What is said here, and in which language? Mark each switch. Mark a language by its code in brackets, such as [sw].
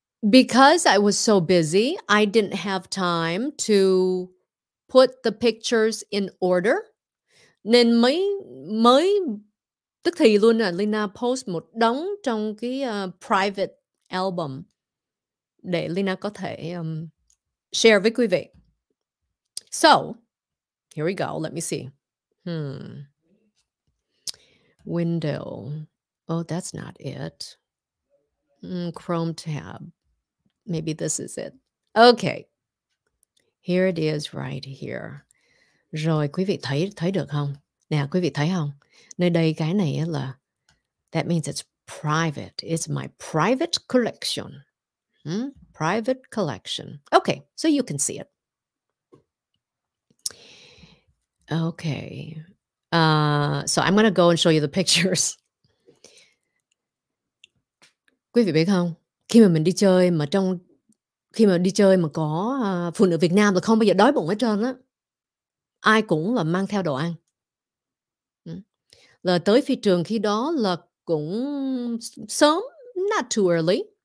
[en] Because I was so busy, I didn't have time to put the pictures in order. [vi] Nên mới tức thì luôn là Leyna post một đống trong cái private album để Leyna có thể share với quý vị. [en] So, here we go. Let me see. Window. Oh, that's not it. Chrome tab. Maybe this is it. Okay. Here it is right here. [vi] Rồi, quý vị thấy được không? Nè, quý vị thấy không? Nơi đây cái này là, [en] that means it's private. It's my private collection. Private collection. Okay, so you can see it. Okay. So I'm going to go and show you the pictures. [vi] Quý vị biết không? Khi mà mình đi chơi mà trong, khi mà đi chơi mà có phụ nữ Việt Nam là không bao giờ đói bụng hết trơn á. Ai cũng là mang theo đồ ăn. Là tới phi trường khi đó là cũng sớm, [en] not too early.